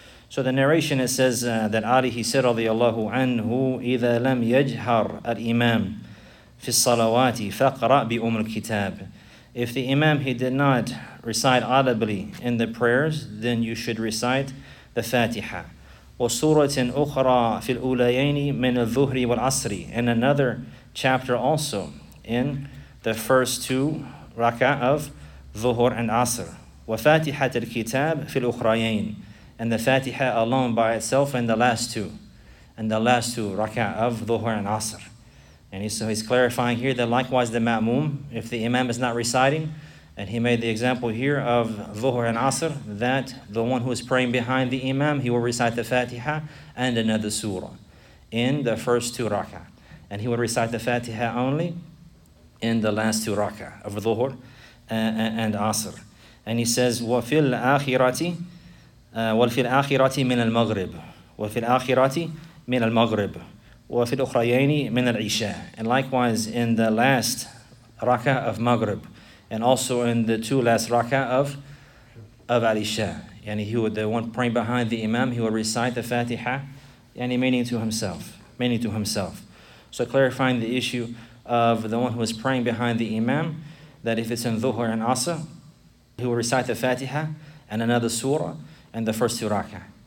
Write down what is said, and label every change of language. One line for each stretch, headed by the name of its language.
English: So the narration, it says that Ali, he said, radiallahu anhu,
Arabic: إِذَا لَمْ يَجْهَرْ Al-Imam في الصلوات فقرأ بأم الكتاب.
English: If the imam, he did not recite audibly in the prayers, then you should recite the Fatiha.
Arabic: وسورة أخرى في الأوليين من الظهر والعصر.
English: And another chapter also in the first two rak'ah of Dhuhr and Asr.
Arabic: وفاتحة الكتاب في الأخرين.
English: And the Fatiha alone by itself in the last two. And the last two rak'ah of Dhuhr and Asr. And so he's clarifying here that likewise the ma'mum, if the imam is not reciting, and he made the example here of Dhuhr and Asr, that the one who is praying behind the imam, he will recite the Fatiha and another surah in the first two rak'ah. And he will recite the Fatiha only in the last two rak'ah of Dhuhr and Asr. And he says,
Arabic: وَفِي الْآخِرَةِ مِنَ الْمَغْرِبِ وَفِي الْآخِرَةِ مِنَ الْمَغْرِبِ وَفِي الْأُخْرَيَيْنِ مِنَ الْعِشَاءِ.
English: And likewise in the last rak'ah of Maghrib, and also in the two last rak'ah of Al-Isha. Yani he would, the one praying behind the imam, he would recite the Fatiha, yani meaning to himself. So clarifying the issue of the one who is praying behind the imam, that if it's in Dhuhr and Asr, he will recite the Fatiha and another surah and the first two rak'ah.